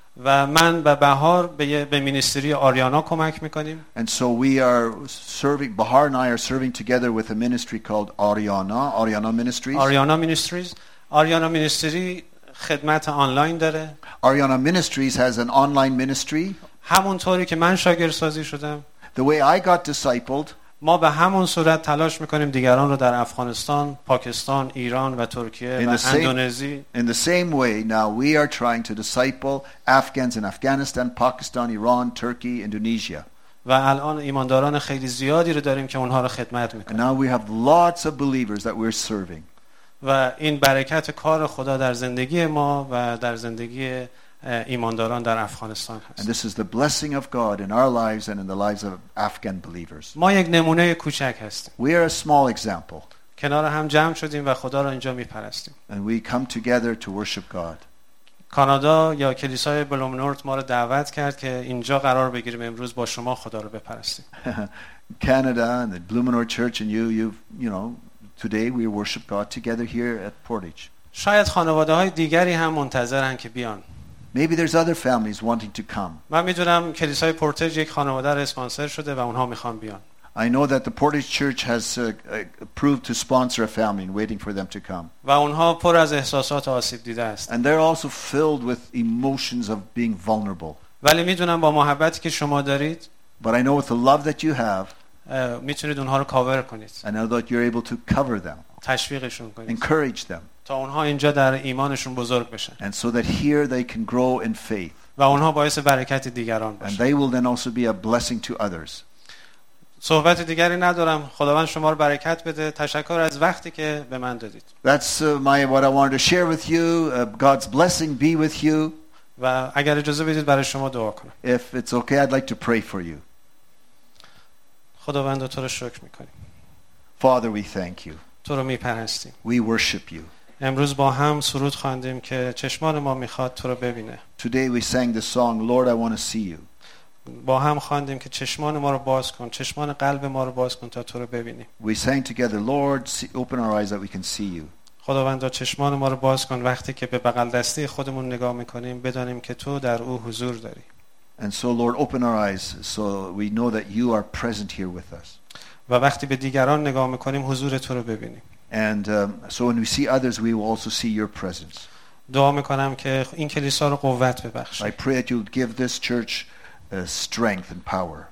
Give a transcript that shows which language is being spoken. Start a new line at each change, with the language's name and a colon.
Persian: و من و بهار به مینیستری آریانا کمک میکنیم.
English: And so we are serving, Bahar and I are serving together with a ministry called Ariana, Ariana Ministries.
Persian: Ariana Ministries. Ariana Ministry خدمت آنلاین داره.
English: Ariana Ministries has an online ministry.
Persian: همونطوری که من شاگرد سازی شدم.
English: The way I got discipled.
Persian: ما به همون صورت تلاش میکنیم دیگران رو در افغانستان، پاکستان، ایران و ترکیه و اندونزی.
English: In the same way, now we are trying to disciple Afghans in Afghanistan, Pakistan, Iran, Turkey, Indonesia.
Persian: و الان ایمانداران خیلی زیادی رو داریم که اونها رو خدمت میکنیم.
English: Now we have lots of believers that we're serving.
Persian: و این برکت کار خدا در زندگی ما و در زندگی ایمانداران در افغانستان هست.
English: And this is the blessing of God in our lives and in the lives of Afghan believers.
Persian: ما یک نمونه کوچک هستیم.
English: We are a small example.
Persian: کنار هم جمع شدیم و خدا را اینجا می‌پرستیم.
English: And we come together to worship God.
Persian: کانادا یا کلیسای بلومنورت ما رو دعوت کرد که اینجا قرار بگیریم امروز با شما خدا رو بپرستیم.
English: Canada and the Bloomingdale Church and you know today we worship God together here at Portage.
Persian: شاید خانواده‌های دیگری هم منتظرن که بیان.
English: Maybe there's other families wanting to come.
Persian: من می‌دونم کلیسای پورتج یک خانواده اسپانسر شده و اونها می‌خوان بیان.
English: I know that the Portage Church has approved to sponsor a family and waiting for them to come.
Persian: و اونها پر از احساسات آسیب دیده است.
English: And they're also filled with emotions of being vulnerable.
Persian: ولی می‌دونم با محبتی که شما دارید
English: But I know with the love that you have
Persian: میتونید اونها رو کاور کنید.
English: I know that you're able to cover them.
Persian: تشویقشون کنید.
English: Encourage them.
Persian: تا اونها اینجا در ایمانشون بزرگ بشن.
English: And so that here they can grow in faith.
Persian: و اونها باعث برکت دیگران بشن.
English: And they will then also be a blessing to others.
Persian: صحبت دیگری ندارم. خداوند شما رو برکت بده. تشکر از وقتی که به من دادید.
English: That's what I wanted to share with you. God's blessing be with you.
Persian: و اگر اجازه بدید برای شما دعا کنم.
English: If it's okay, I'd like to pray for you.
Persian: خداوند تو رو شکر می‌کنیم.
English: Father, we thank you.
Persian: تو رو می‌پرستیم.
English: We worship you.
Persian: امروز با هم سرود خواندیم که چشمان ما می‌خواد تو رو ببینه.
English: Today we sang the song, Lord, I want to see you.
Persian: با هم خواندیم که چشمان ما رو باز کن، چشمان قلب ما رو باز کن تا تو رو ببینیم.
English: We sang together, Lord, open our eyes that we can see you.
Persian: خداوند چشمان ما رو باز کن وقتی که به بغل دستی خودمون نگاه می‌کنیم بدانیم که تو در او حضور داری.
English: And so Lord open our eyes so we know that you are present here with us.
Persian: و وقتی به دیگران نگاه می‌کنیم حضور تو رو ببینیم.
English: And so when we see others we will also see your presence.
Persian: دعا می‌کنم که این کلیسا رو قوت ببخشی.
English: I pray that you'll give this church strength and power.